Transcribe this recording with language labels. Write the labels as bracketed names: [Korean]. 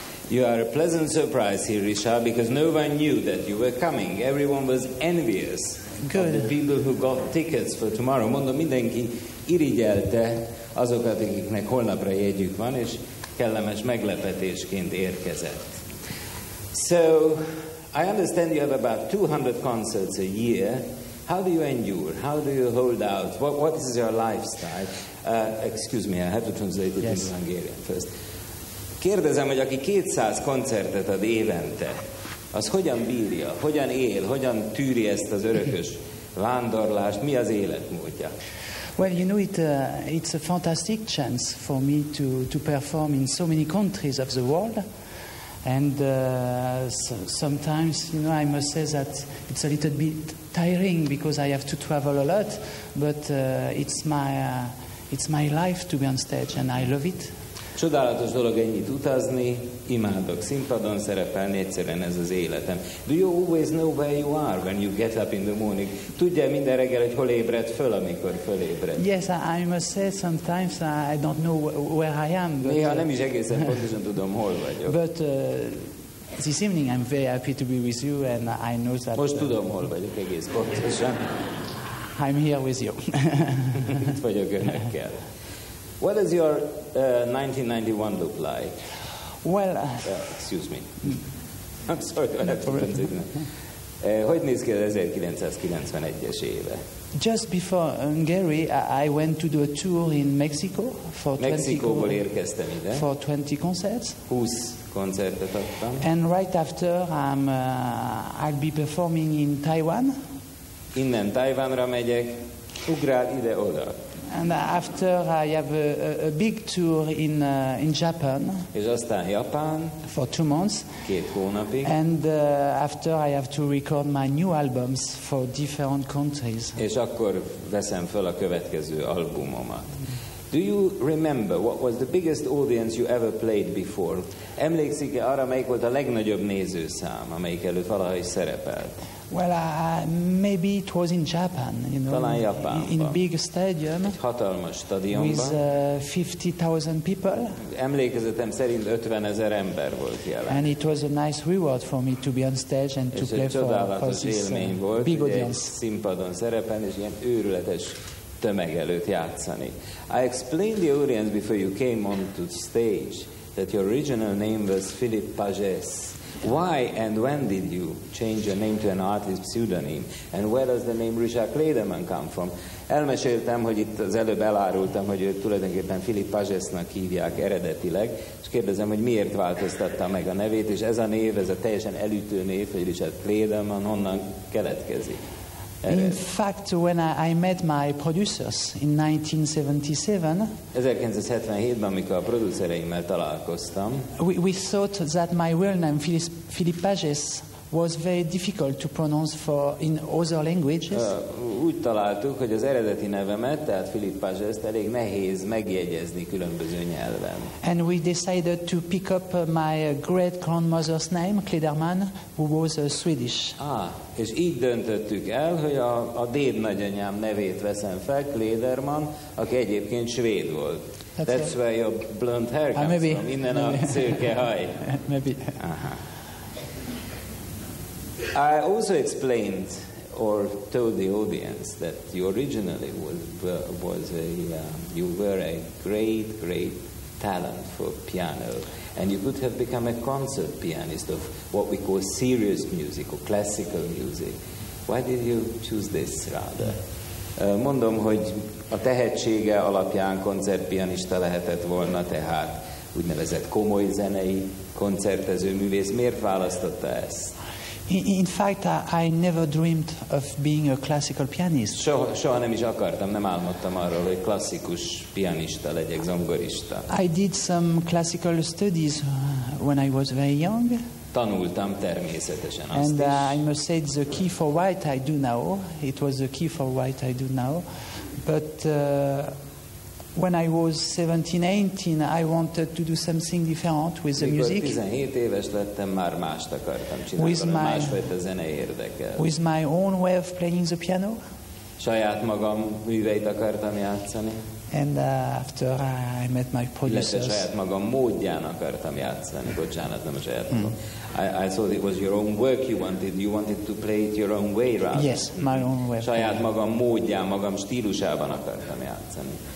[English] You are a pleasant surprise here, Richard, because no one knew that you were coming. Everyone was envious. Good. Of the people who got tickets for tomorrow. [Hungarian] Mondom, mindenki irigyelte azokat, akiknek holnapra jegyük van, és kellemes meglepetésként érkezett. [English] So, I understand you have about 200 concerts a year, How do you endure? How do you hold out? What is your lifestyle? Excuse me, I have to translate it into Hungarian first. [Hungarian] Kérdezem, hogy aki 200 koncertet ad évente, az hogyan bírja, hogyan él, hogyan tűri ezt az örökös vándorlást, mi az életmódja? [English] Well, you know, it's a fantastic chance for me to perform in so many countries of the world. And sometimes, you know, I must say that it's a little bit tiring because I have to travel a lot, but it's my life to be on stage and I love it. [Hungarian] Csodálatos dolog ennyit utazni, imádok színpadon szerepelni, egyszerűen ez az életem. [English] Do you always know where you are when you get up in the morning? [Hungarian] Tudja minden reggel, hogy hol ébred föl, amikor fölébred? [English] Yes, I must say sometimes I don't know where I am. [Hungarian] Néha nem is egészen pontosan tudom, hol vagyok. [English] But this evening I'm very happy to be with you and I know that... [Hungarian] Most tudom, hol vagyok egész pontosan. [English] I'm here with you. [Hungarian] Itt vagyok önökkel. [English] What does your 1991 look like? Well, excuse me. I'm sorry. No problem. [Hungarian] Hogy néz ki az 1991-es éve? [English] Just before Hungary, I went to do a tour in Mexico for 20. [Hungarian] Mexikóból érkeztem ide. [English] For 20 concerts. [Hungarian] 20 koncertet adtam. [English] And right after, I'll be performing in Taiwan. [Hungarian] Innen Taiwanra megyek, ugrál ide oda. [English] And after I have a big tour in Japan. [Hungarian] És aztán Japán. [English] For 2 months. [Hungarian] Két hónapig. [English] And after I have to record my new albums for different countries. [Hungarian] És akkor veszem fel a következő albumomat. [English] Do you remember what was the biggest audience you ever played before? [Hungarian] Emlékszik-e arra, melyik volt a legnagyobb nézőszám, amelyik előtt valaha is szerepelt? [English] Well, maybe it was in Japan, you know, in big stadium, [Hungarian] egy hatalmas stadionban, [English] with 50,000 people. [Hungarian] Emlékezetem szerint 50,000 ember volt jelen. [English] And it was a nice reward for me to be on stage and to play for this big audience. [Hungarian] Egy színpadon szerepelni, és ilyen őrületes tömeg előtt játszani. [English] I explained the audience before you came on to stage that your original name was Philippe Pagès. Why and when did you change your name to an artist pseudonym? And where does the name Richard Clayderman come from? [Hungarian] Elmeséltem, hogy itt az előbb elárultam, hogy őt tulajdonképpen Philippe Pagès-nak hívják eredetileg, és kérdezem, hogy miért változtatta meg a nevét, és ez a név, ez a teljesen elütő név, hogy Richard Clayderman honnan keletkezik? [English] In fact, when I met my producers in 1977, [Hungarian] amikor a producereimmel találkoztam, [English] we thought that my real name, Philippe Pagès, was very difficult to pronounce for in other languages. [Hungarian] Úgy találtuk, hogy az eredeti nevemet, tehát Philippe Pagès-t elég nehéz megjegyezni különböző nyelven. [English] And we decided to pick up my great grandmother's name, Clayderman, who was Swedish. [Hungarian] És így döntöttük el, hogy a déd nagyanyám nevét veszem fel, Clayderman, aki egyébként svéd volt. [English] That's where your blonde hair comes from. [Hungarian] Innen a szőke haj. [English] Maybe. I also explained or told the audience that you originally were a great, great talent for piano, and you could have become a concert pianist of what we call serious music or classical music. Why did you choose this rather? [Hungarian] Mondom, hogy a tehetsége alapján koncertpianista lehetett volna, tehát úgynevezett komoly zenei koncertező művész. Miért választotta ezt? [English] In fact, I never dreamed of being a classical pianist. [Hungarian] Soha nem is akartam, nem álmodtam arról, hogy klasszikus pianista legyek, zongorista. [English] I did some classical studies when I was very young. [Hungarian] Tanultam természetesen azt [English] and, [Hungarian] is. [English] And I must say the key for what I do now, it was the key for what I do now. But when I was 17, 18, I wanted to do something different with the music. [Hungarian] 17 éves lettem, már mást akartam csinálni. Másfajta zene érdekel. [English] With my own way of playing the piano. [Hungarian] Saját magam műveit akartam játszani. [English] And after I met my producers. [Hungarian] Illetve saját magam módján akartam játszani. Bocsánat, nem a saját magam. [English] I thought it was your own work you wanted. You wanted to play it your own way, right? Yes, my own way. [Hungarian] Saját magam módján, magam stílusában akartam játszani.